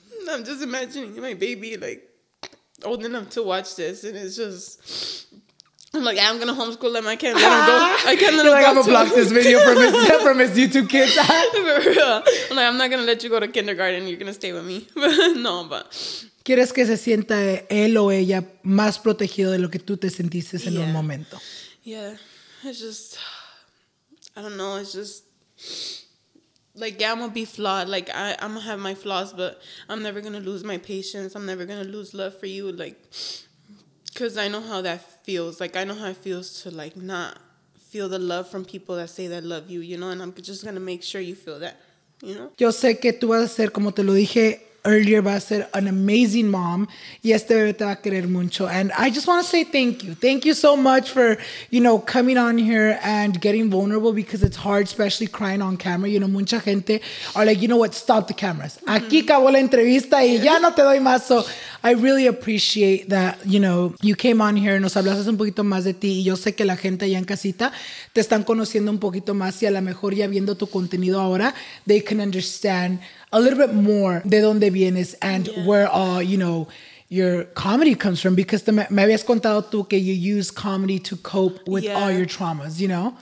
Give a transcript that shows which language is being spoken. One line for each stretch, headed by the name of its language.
English: I'm just imagining my baby, like, old enough to watch this, and it's just... I'm like, I'm gonna homeschool them. I can't let them go. I can't let them like, go. I'm gonna block this video from his YouTube kids. For real. I'm like, I'm not gonna let you go to kindergarten. You're gonna stay with me. No, but.
Spanish: ¿Quieres que se sienta él o ella más protegido de lo que tú te sentiste en un momento?
English: Yeah. It's just. I don't know. It's just. Like, yeah, I'm gonna be flawed. Like, I'm gonna have my flaws, but I'm never gonna lose my patience. I'm never gonna lose love for you. Like. Because I know how that feels. Like, I know how it feels to, like, not feel the love from people that say they love you, you know? And I'm just going to make sure you feel that, you know?
Spanish: Yo sé que tú vas a ser, como te lo dije
English: earlier,
Spanish: vas a ser
English: an amazing mom.
Spanish: Y este bebé te va a querer mucho.
English: And I just want to say thank you. Thank you so much for, you know, coming on here and getting vulnerable, because it's hard, especially crying on camera. You know,
Spanish: mucha gente
English: are like, you know what? Stop the cameras. Mm-hmm.
Spanish: Aquí acabó la entrevista y ya no te doy más.
English: So I really appreciate that, you know, you came on here.
Spanish: Nos hablaste un poquito más de ti. Y yo sé que la gente allá en casita te están conociendo un poquito más. Y a lo mejor ya viendo tu contenido ahora,
English: they can understand a little bit more
Spanish: de dónde vienes
English: and where you know, your comedy comes from,
Spanish: because me habías contado tú que
English: you use comedy to cope with all your traumas, you know?